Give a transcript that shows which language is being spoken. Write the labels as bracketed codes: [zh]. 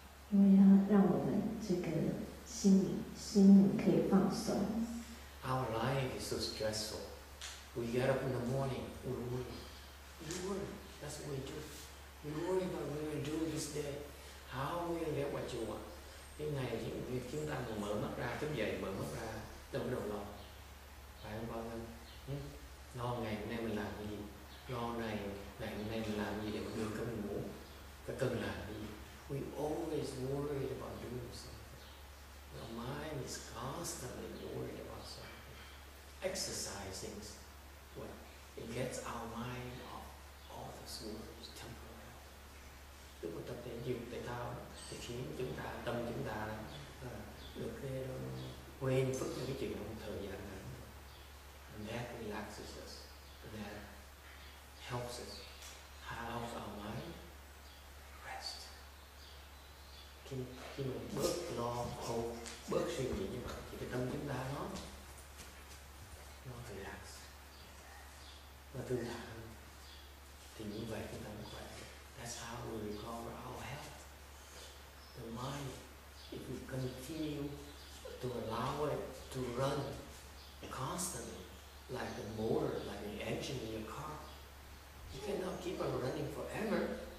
[zh] 因为它让我们这个心里可以放松。 [en] Our life is so stressful. We get up in the morning, we worry. We worry. That's what we do. We worry about what we're doing this day. How we get what you want. [vi] Cái ngày chúng ta mở mắt ra, thức dậy mở mắt ra, tâm đầu lo. Phải không bao nhiêu? Lo ngày hôm nay mình làm gì? Lo này, ngày hôm nay mình làm gì để được cái mình muốn? Cái cần làm gì? [en] We always worry about doing something. Our mind is constantly worried. Exercising, what? It gets our mind off all this world, temporary. [vi] Tức là tập thể dục thể thao thì khiến chúng ta tâm chúng ta được cái quên phức những cái chuyện trong thời gian ngắn. [en] And that relaxes us. And that helps us have our mind rest. [vi] Khi mình bớt lo, hope, bớt suy nghĩ như vậy thì cái tâm chúng ta nó và thư giãn thì như vậy chúng ta mới khỏe. [en] That's how we recover our health. The mind, if we continue to allow it to run constantly, like the motor, like the engine in your car, you cannot keep on running forever.